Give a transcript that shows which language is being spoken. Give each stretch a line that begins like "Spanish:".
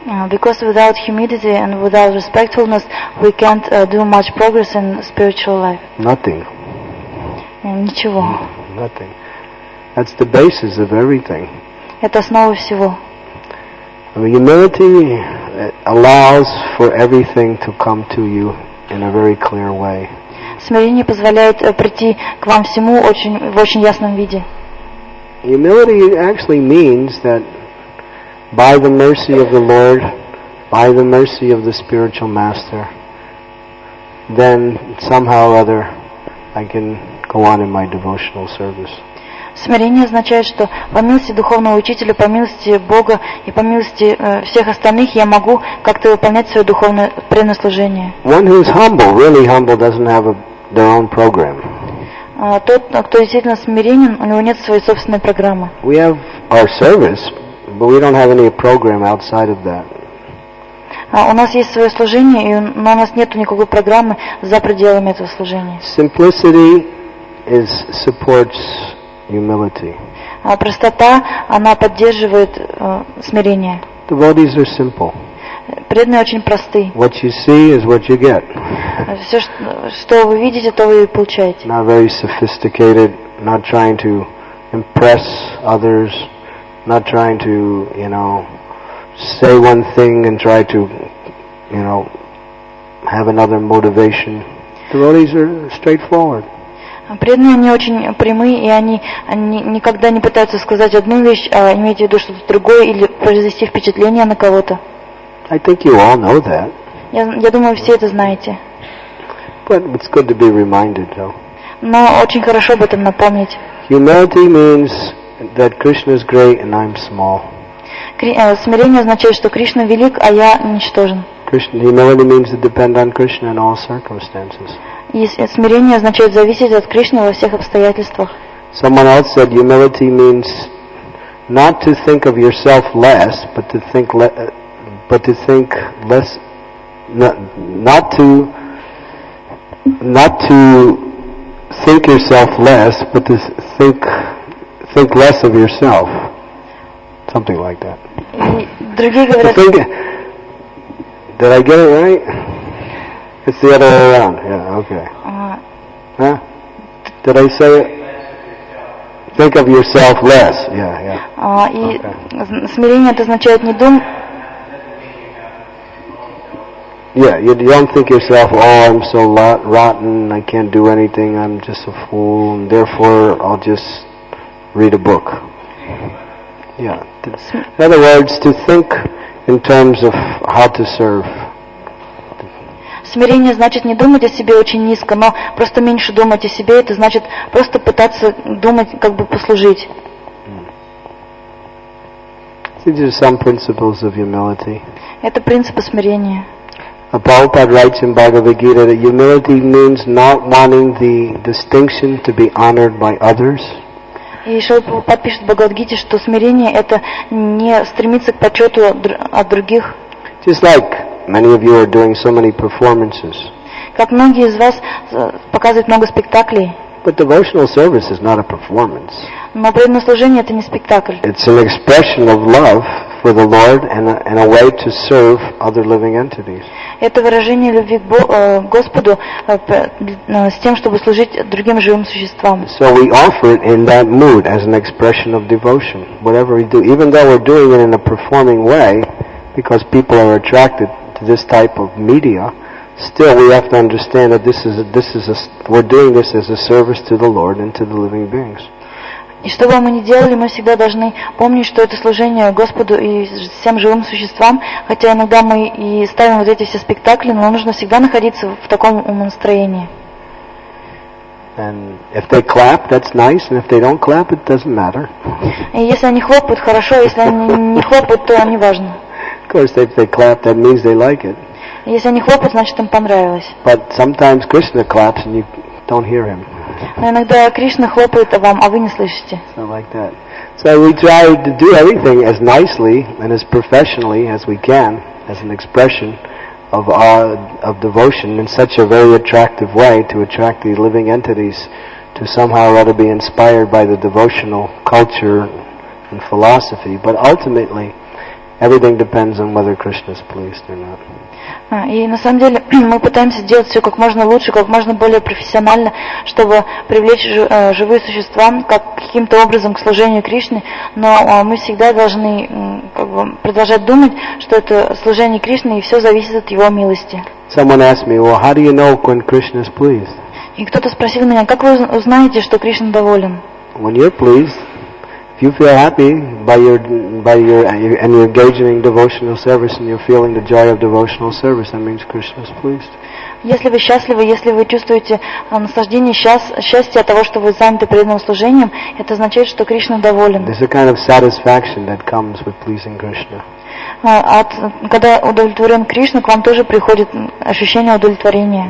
English: Because without humility and without respectfulness, we can't do much progress in spiritual life. Nothing.
Russian: Ничего.
English: Nothing. That's the basis of everything.
Russian: Это основа всего.
English: Humility allows for everything to come to you in a very clear way.
Russian: Смирение позволяет прийти к вам всему в очень ясном виде.
English: Humility actually means that by the mercy of the Lord, by the mercy of the spiritual master, then somehow or other I can go on in my devotional service.
Russian: Смирение означает, что по милости духовного учителя, по милости Бога и по милости всех остальных я могу как-то выполнять свое духовное преднаслужение.
English: One who is humble, really humble, doesn't have their own program.
Russian: Тот, кто действительно смиренен, у него нет своей собственной программы.
English: We have our service, but we don't have any program outside of that.
Russian: У нас есть свое служение, но у нас нет никакой программы за пределами этого служения.
English: Simplicity is supports humility.
Russian: Простота, она поддерживает смирение.
English: Devotees are simple.
Russian: Преданные очень просты.
English: What you see is what you get.
Russian: Все, что вы видите, то вы и получаете.
English: Not very sophisticated, not trying to impress others, not trying to, you know, say one thing and try to, you know, have another motivation. Devotees are straightforward.
Russian: Преданные, они очень прямые, и они никогда не пытаются сказать одну вещь, а иметь в виду что-то другое или произвести впечатление на кого-то.
English: I think you all know that.
Russian: Я думаю, все это знаете.
English: But it's good to be reminded, though.
Russian: Но очень хорошо об этом напомнить.
English: Humility means that Krishna is great and I'm small.
Russian: Смирение означает, что Кришна велик, а я ничтожен.
English: Humility means to depend on Krishna in all circumstances.
Russian: Смирение означает зависеть от Кришны во всех обстоятельствах.
English: Someone else said humility means not to think of yourself less, but to think think less of yourself. Something like that.
Russian: Другие говорят.
English: Did I get it right? It's the other way around. Yeah, okay. Did I say it? Think of yourself less. Yeah.
Russian: И смирение это означает не дум.
English: Yeah, you don't think yourself, oh, I'm so rotten, I can't do anything, I'm just a fool, and therefore I'll just read a book. Yeah. In other words, to think in terms of how to serve.
Russian: Смирение значит не думать о себе очень низко, но просто меньше думать о себе, это значит просто пытаться думать, как бы послужить.
English: These are some principles of humility.
Russian: Это принципы смирения.
English: Prabhupada writes in Bhagavad Gita that humility means not wanting the distinction to be honored by others.
Russian: И Шрила пишет в Бхагавад Гите, что смирение — это не стремиться к почету от других.
English: Just like many of you are doing so many performances.
Russian: Как многие из вас показывают много спектаклей.
English: But devotional service is not a performance.
Russian: Но преданное служение — это не спектакль.
English: It's an expression of love for the Lord and a way to serve other living entities.
Russian: Это выражение любви к Господу с тем, чтобы служить другим живым существам.
English: So we offer it in that mood as an expression of devotion. Whatever we do, even though we're doing it in a performing way, because people are attracted to this type of media, still we have to understand that we're doing this as a service to the Lord and to the living beings.
Russian: И что бы мы ни делали, мы всегда должны помнить, что это служение Господу и всем живым существам, хотя иногда мы и ставим вот эти все спектакли, но нужно всегда находиться в таком умонастроении.
English: And if they clap, that's nice, and if they don't clap, it doesn't matter.
Russian: И если они хлопают, хорошо, если они не хлопают, то не важно.
English: Of course, if they clap, that means they like it.
Russian: Если они хлопают, значит им понравилось.
English: But sometimes Krishna claps and you don't hear him.
Russian: Но иногда Кришна хлопает вам, а вы не слышите.
English: So like that. So we try to do everything as nicely and as professionally as we can, as an expression of of devotion in such a very attractive way to attract the living entities to somehow or other be inspired by the devotional culture and philosophy. But ultimately, everything depends on whether Krishna is pleased or not.
Russian: И на самом деле мы пытаемся делать все как можно лучше, как можно более профессионально, чтобы привлечь живые существа как каким-то образом к служению Кришне, но мы всегда должны как бы продолжать думать, что это служение Кришне и все зависит от Его милости.
English: Someone asked me, well, how do you know when Krishna is pleased?
Russian: И кто-то спросил меня, как вы узнаете, что Кришна доволен?
English: When you're pleased, if you feel happy and you're engaging in devotional service and you're feeling the joy of devotional service, that means Krishna is pleased.
Russian: Если вы счастливы, если вы чувствуете наслаждение, счастье от того, что вы заняты преданным служением, это означает, что Кришна доволен.
English: There's a kind of satisfaction that comes with pleasing Krishna.
Russian: Когда удовлетворен Кришна, к вам тоже приходит ощущение удовлетворения.